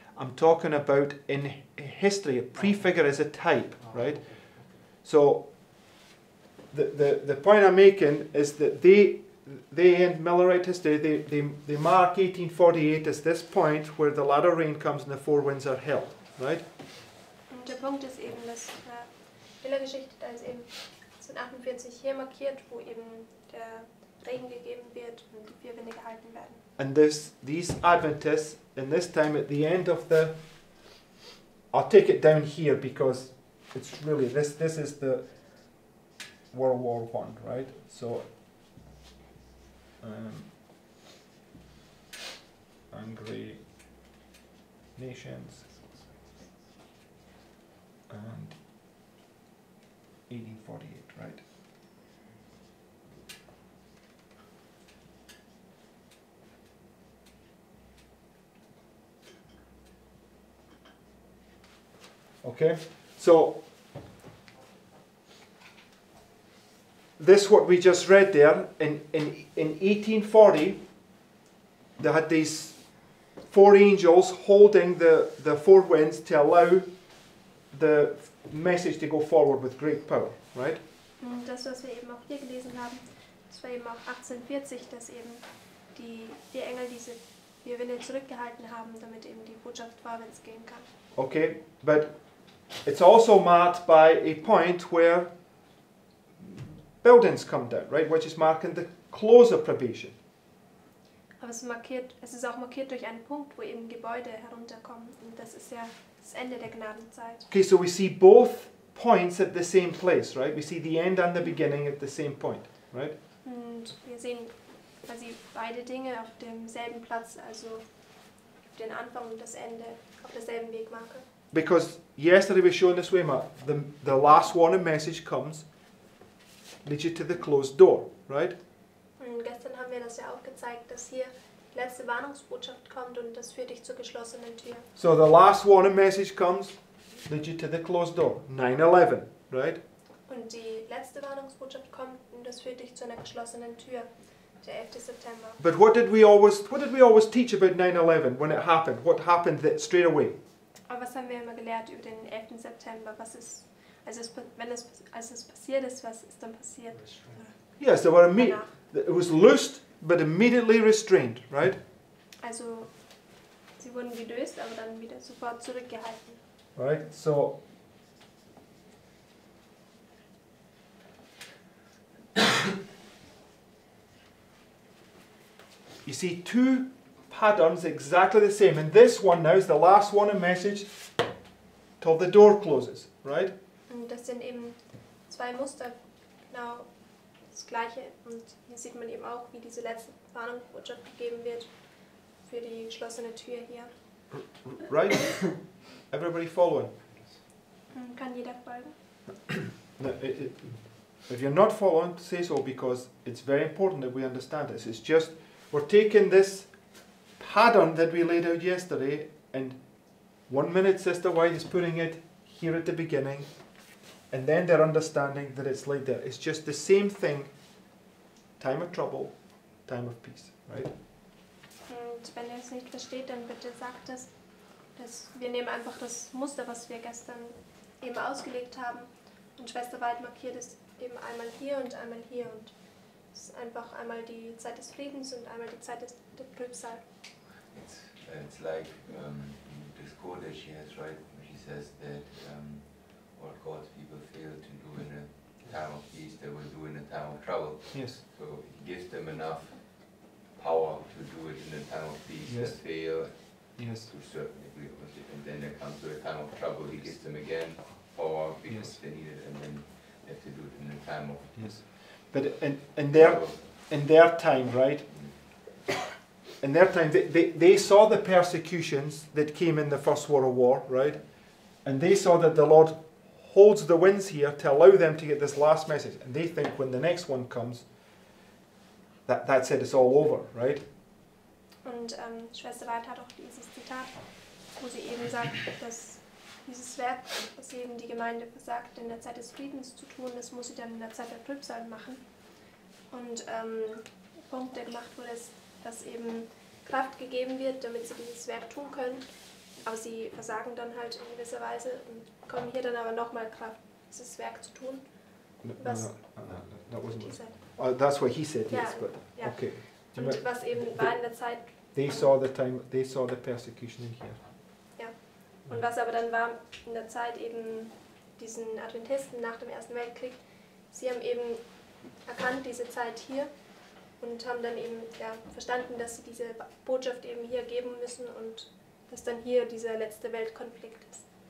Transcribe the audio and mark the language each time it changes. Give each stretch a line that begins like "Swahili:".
English: I'm talking about in history. A prefigure is a type, right? Okay. So. The point I'm making is that they in Millerite history, they mark 1848 as this point where the latter rain comes and the four winds are held, right?
German: Und der Punkt ist eben, dass Millergeschichte da ist eben 1848 hier markiert, wo eben der Regen gegeben wird und die vier Winde gehalten werden.
English: And these Adventists, in this time at the end of the... I'll take it down here because it's really... This is the... World War One, right? So, angry nations, and 1848, right? Okay, so. This what we just read there, in 1840, they had these four angels holding the four winds to allow the message to go forward with great power, right?
German: Das, was wir eben auch hier gelesen haben, das war eben auch 1840, dass eben die Engel diese vier Winde zurückgehalten haben, damit eben die Botschaft vorwärts gehen kann.
English: Okay, but it's also marked by a point where buildings come down, right, which is marking the close of probation.
German: Aber es ist auch markiert durch einen Punkt, wo eben Gebäude herunterkommen, und das ist ja das Ende der Gnadenzeit.
English: Okay, so we see both points at the same place, right? We see the end and the beginning at the same point, right?
German: Und wir sehen quasi beide Dinge auf demselben Platz, also den Anfang und das Ende auf derselben Wegmarke.
English: Because yesterday we showed this way, Mark, the last warning message comes. Lead you to the closed door, right?
German: Und gestern haben wir das ja auch gezeigt, dass hier die letzte Warnungsbotschaft kommt und das führt dich zur geschlossenen Tür.
English: So the last warning message comes, lead you to the closed door. 9/11, right?
German: Und die letzte Warnungsbotschaft kommt und das führt dich zu einer geschlossenen Tür. Der 11. September.
English: But what did we always teach about 9/11 when it happened? What happened that straight away?
German: Aber was haben wir immer gelehrt über den 11. September? Was ist Als es passiert ist, was ist dann passiert?
English: Yes, there were it was loosed, but immediately restrained, right?
German: Also, sie wurden gelöst, aber dann wieder sofort zurückgehalten.
English: Right, so... you see two patterns exactly the same, and this one now is the last one, a message till the door closes, right?
German: Und das sind eben zwei Muster, genau das gleiche. Und hier sieht man eben auch, wie diese letzte Warnungsbotschaft gegeben wird für die geschlossene Tür hier.
English: Right? Everybody following?
German: Kann jeder folgen?
English: No, if you're not following, say so, because it's very important that we understand this. It's just, we're taking this pattern that we laid out yesterday, and 1 minute Sister White is putting it here at the beginning, And then they're understanding that it's like that. It's just the same thing. Time of trouble, time of peace, right?
German: Und wenn ihr es nicht versteht, dann bitte sagt es, dass wir nehmen einfach das Muster, was wir gestern eben ausgelegt haben. Und Schwester White markiert es eben einmal hier und einmal hier. Und es ist einfach einmal die Zeit des Friedens und einmal die Zeit der Trübsal.
English: It's like the score that she has, right? She says that all God's people fail to do in a time of peace, they will do in a time of trouble. Yes. So it gives them enough power to do it in a time of peace. Yes. They fail. Yes. To a certain degree, obviously. And then they come to a time of trouble, he gives them again power because yes. they need it, and then they have to do it in a time of peace. Yes. But in their time, right? In their time, they saw the persecutions that came in the First World War, right? And they saw that the Lord holds the winds here to allow them to get this last message. And they think when the next one comes, that's it, it's all over, right?
German: Und Schwester White hat auch dieses Zitat, wo sie eben sagt, dass dieses Werk, was eben die Gemeinde versagt, in der Zeit des Friedens zu tun, das muss sie dann in der Zeit der Trübsal machen. Und Punkt, der gemacht wurde, ist, dass eben Kraft gegeben wird, damit sie dieses Werk tun können. Aber sie versagen dann halt in gewisser Weise und kommen hier dann aber nochmal Kraft, dieses Werk zu tun.
English: That's what he said, yes, but yeah. Okay.
German: Und but was eben war in der Zeit.
English: They saw the time, they saw the persecution in here.
German: Ja. Und was aber dann war in der Zeit eben diesen Adventisten nach dem Ersten Weltkrieg, sie haben eben erkannt, diese Zeit hier. Und haben dann eben ja, verstanden, dass sie diese Botschaft eben hier geben müssen und dass dann hier dieser letzte Weltkonflikt ist.